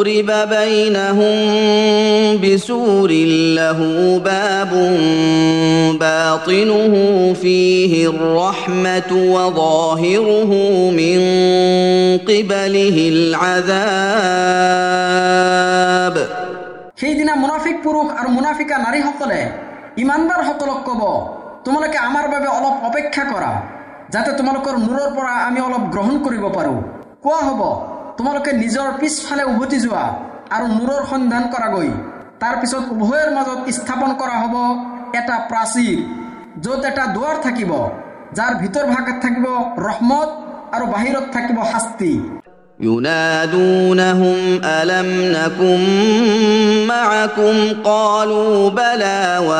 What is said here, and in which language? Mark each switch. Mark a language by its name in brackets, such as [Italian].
[Arabic] بينهم بسور له باب باطنه فيه الرحمة وظاهره من قبله العذاب [Assamese] সেইদিনা মুনাফিক পুৰুষ আৰু মুনাফিকা নাৰীসকলে ইমানদাৰ সকলক কব তোমালোকে আমাৰ বাবে অলপ অপেক্ষা কৰা যাতে তোমালোকৰ মূৰৰ পৰা আমি অলপ গ্ৰহণ কৰিব পাৰোঁ কোৱা হ'ব তোমালোকে নিজৰ পিছফালে উভতি যোৱা আৰু মূৰৰ সন্ধান কৰাগৈ তাৰপিছত উভয়ৰ মাজত স্থাপন কৰা হ'ব এটা প্ৰাচীৰ য'ত এটা দুৱাৰ থাকিব যাৰ ভিতৰ ভাগত থাকিব ৰহমত আৰু বাহিৰত থাকিব শাস্তি [Arabic] ينادونهم ألم نكن معكم قالوا بلى